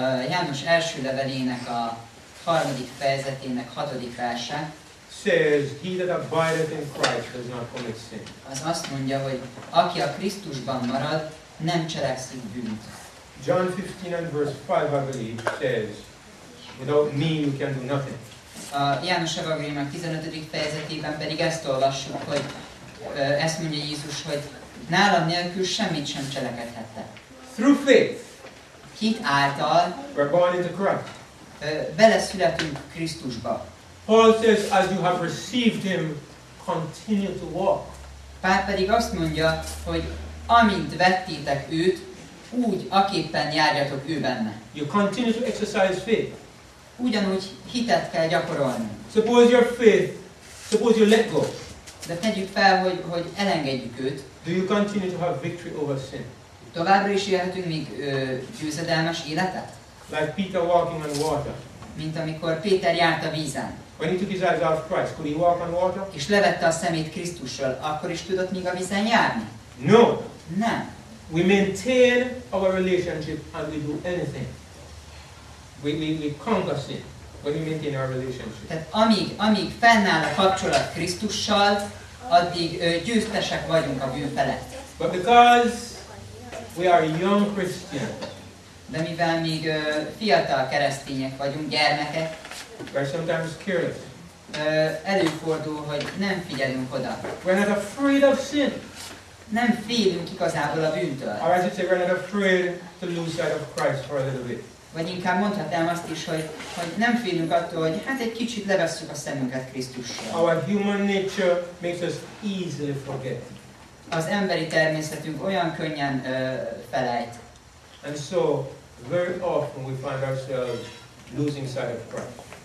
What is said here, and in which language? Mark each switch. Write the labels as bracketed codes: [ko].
[hu] János első levelének a harmadik fejezetének hatodik verse. [en] Says he that abideth in Christ does not commit sin. [hu] Az azt mondja, hogy aki a Krisztusban marad, nem cselekszik bűnt. [en] John 15 and verse 5, I believe, says without me you can do nothing. [hu] A János evangéliumának 15. fejezetében pedig ezt olvassuk, hogy ezt mondja Jézus, hogy nálam nélkül semmit sem cselekedhette. [en] Through faith. [hu] Hit által. [en] We're born into Christ. [hu] Beleszületünk Krisztusba. [en] Paul says, as you have received him, continue to walk. [hu] Pál pedig azt mondja, hogy amint vettétek őt, úgy aképpen járjatok ő benne. [en] You continue to exercise faith. [hu] Ugyanúgy hitet kell gyakorolni. [en] Suppose your faith, suppose you let go. [hu] De tegyük fel, hogy elengedjük őt. [en] Do you continue to have victory over sin? [hu] Továbbra is élhetünk még győzedelmes életet? [en] Like Peter walking on water. [hu] Mint amikor Péter járt a vízen. [en] When he took his eyes off Christ, could he walk on water? [hu] És levette a szemét Krisztussal, akkor is tudott még a vízen járni? [en] No. [hu] Nem. [en] We maintain our relationship and we do anything. We conquer sin. When we maintain our relationship. [hu] Tehát amíg fennáll a kapcsolat Krisztussal, addig győztesek vagyunk a bűn felett. [en] But because we are young Christians. [hu] De mivel még fiatal keresztények vagyunk, gyermekek. [en] We're sometimes curious. [hu] Előfordul, hogy nem figyelünk oda. [en] We're not afraid of sin. [hu] Nem félünk igazából a bűntől. [en] Or as you say, we're not afraid to lose sight of Christ for a little bit. [hu] Vagy inkább mondhatnám azt is, hogy nem félünk attól, hogy hát egy kicsit levesszük a szemünket Krisztusról. [en] Our human nature makes us easily forget. [hu] Az emberi természetünk olyan könnyen felejt. [en] And so very often we find ourselves losing sight of Christ.